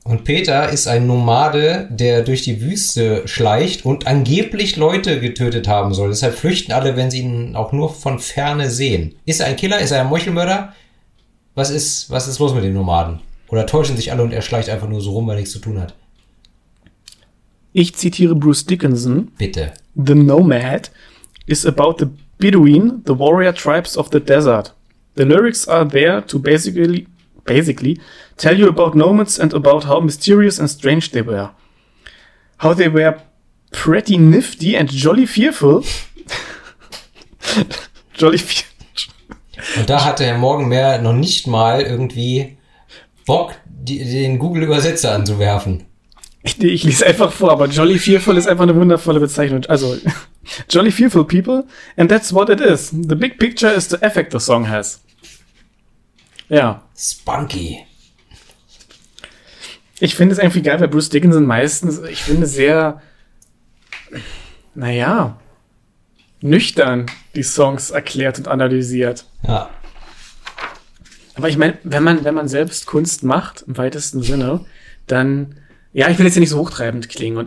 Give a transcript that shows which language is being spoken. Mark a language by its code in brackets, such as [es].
[de] Und Peter ist ein Nomade, der durch die Wüste schleicht und angeblich Leute getötet haben soll. Deshalb flüchten alle, wenn sie ihn auch nur von Ferne sehen. Ist er ein Killer? Ist er ein Meuchelmörder? Was ist los mit den Nomaden? Oder täuschen sich alle und er schleicht einfach nur so rum, weil nichts zu tun hat? Ich zitiere Bruce Dickinson. Bitte. [en] The Nomad is about the Bedouin, the warrior tribes of the desert. The lyrics are there to basically tell you about nomads and about how mysterious and strange they were. How they were pretty nifty and jolly fearful. Jolly fearful. [de] Und da hatte Herr Morgenmeer noch nicht mal irgendwie Bock, den Google-Übersetzer anzuwerfen. Ich lese einfach vor, aber Jolly Fearful ist einfach eine wundervolle Bezeichnung. Also, [en] Jolly Fearful People, and that's what it is. The big picture is the effect the song has. [de] Ja. [en] Spunky. [de] Ich finde es irgendwie geil, weil Bruce Dickinson meistens, ich finde, sehr, naja, nüchtern die Songs erklärt und analysiert. Ja. Aber ich meine, wenn man selbst Kunst macht, im weitesten Sinne, dann, ja, ich will jetzt ja nicht so hochtreibend klingen.